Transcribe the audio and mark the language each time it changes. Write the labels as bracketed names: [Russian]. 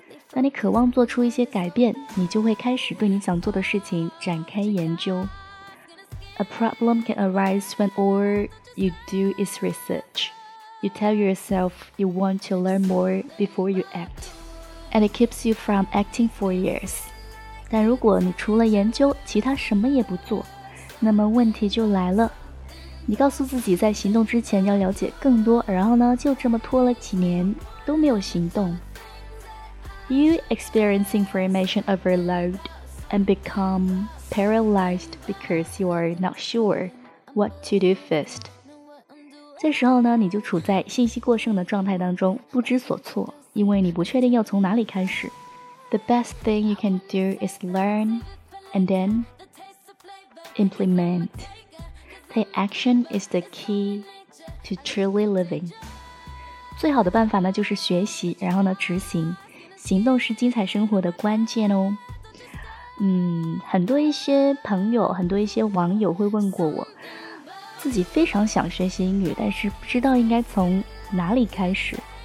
[Chinese] 当你渴望做出一些改变，你就会开始对你想做的事情展开研究。 [English] A problem can arise when all you do is research. You tell yourself you want to learn more before you act. And it keeps you from acting for years. [Chinese] 但如果你除了研究其他什么也不做，那么问题就来了。你告诉自己在行动之前要了解更多，然后呢就这么拖了几年都没有行动。 [English] You experience information overload and become... paralyzed because you are not sure what to do first. [Chinese] 这时候呢，你就处在信息过剩的状态当中，不知所措，因为你不确定要从哪里开始。 [English] The best thing you can do is learn and then implement. Take action is the key to truly living. [Chinese] 最好的办法呢，就是学习，然后呢，执行。行动是精彩生活的关键哦。很多一些朋友，很多一些网友会问过我，自己非常想学习英语，但是不知道应该从哪里开始。